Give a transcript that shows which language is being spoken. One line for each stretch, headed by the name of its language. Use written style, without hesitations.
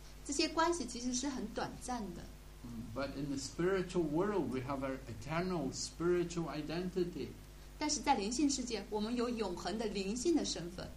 Chinese: 这些关系其实是很短暂的。
English: But in the spiritual world, we have our eternal spiritual identity.
Chinese: 但是在灵性世界，我们有永恒的灵性的身份。